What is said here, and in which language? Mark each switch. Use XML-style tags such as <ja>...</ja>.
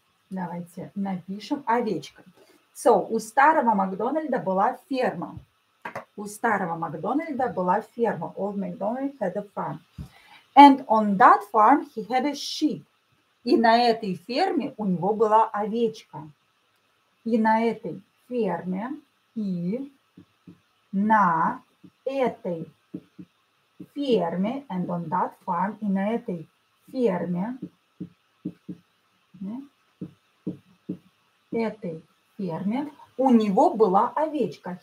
<ru>Давайте напишем овечка. So, у старого Макдональда была ферма. У старого Макдональда была ферма.</ru> <en>Old MacDonald had a farm. And on that farm he had a sheep.</en> <ru>И на этой ферме у него была овечка. И на этой ферме, и на этой ферме,</ru> <en>and on that farm,</en> <ru>и на этой ферме, этой ферме, у него была овечка.</ru>